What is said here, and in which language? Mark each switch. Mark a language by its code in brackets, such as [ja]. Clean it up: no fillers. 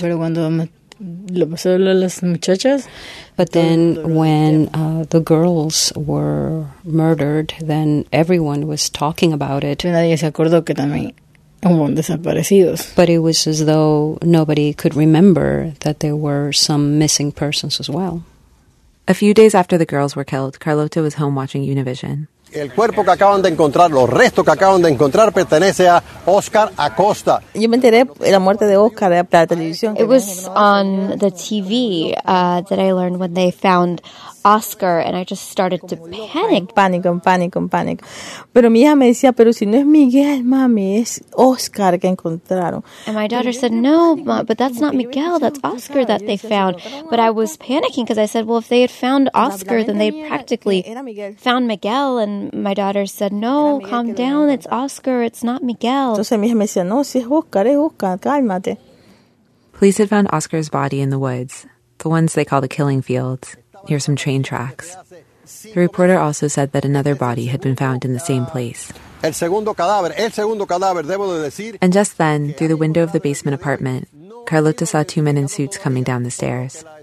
[en] But then when the girls were murdered, then everyone was talking about it. But it was as though nobody could remember that there were some missing persons as well. A few days after the girls were killed, Carlota was home watching Univision. [es] El cuerpo que acaban de encontrar, los restos que acaban de encontrar, pertenece a Oscar Acosta. Yo me enteré de la muerte de Oscar a la televisión. [en] It was on the TV that I learned when they found Oscar, and I just started to panic. [es] Pánico. Pero mi hija me decía, pero si no es Miguel, mami, es Oscar que encontraron. [en] And my daughter said, no, ma, but that's not Miguel, that's Oscar that they found. But I was panicking because I said, well, if they had found Oscar, then they practically found Miguel. And my daughter said, no, calm down, it's Oscar, it's not Miguel. [es] Entonces mi hija me decía, no, si es Oscar, es Oscar, cálmate. [en] Police had found Oscar's body in the woods, the ones they call the killing fields, near some train tracks. The reporter also said that another body had been found in the same place. And just then, through the window of the basement apartment, Carlota saw two men in suits coming down the stairs.